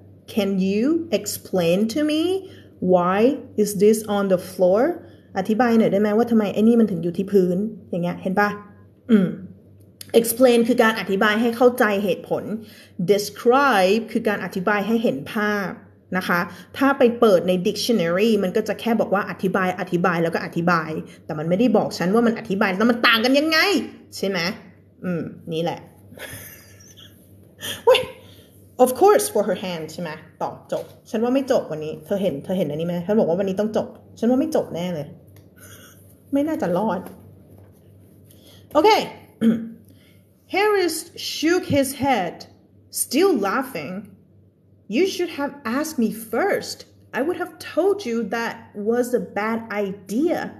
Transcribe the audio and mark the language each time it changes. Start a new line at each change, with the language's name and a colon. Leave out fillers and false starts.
English: Can you explain to me why is this on the floor?
Thai: อธิบายหน่อยได้ไหมว่าทำไมไอ้นี่มันถึงอยู่ที่พื้นอย่างเงี้ยเห็นป่ะexplain คือการอธิบายให้เข้าใจเหตุผล describe คือการอธิบายให้เห็นภาพนะคะถ้าไปเปิดใน dictionary มันก็จะแค่บอกว่าอธิบายแล้วก็อธิบายแต่มันไม่ได้บอกฉันว่ามันอธิบายแล้วมันต่างกันยังไงใช่ไหมนี่แหละ
English: Wait. of course for her hand
Thai: ใช่ไหมต่อจบฉันว่าไม่จบวันนี้เธอเห็นอันนี้ไหมฉันบอกว่าวันนี้ต้องจบฉันว่าไม่จบแน่เลยไม่น่าจะรอดโอเค
English: Harris shook his head still laughingYou should have asked me first. I would have told you that was a bad idea.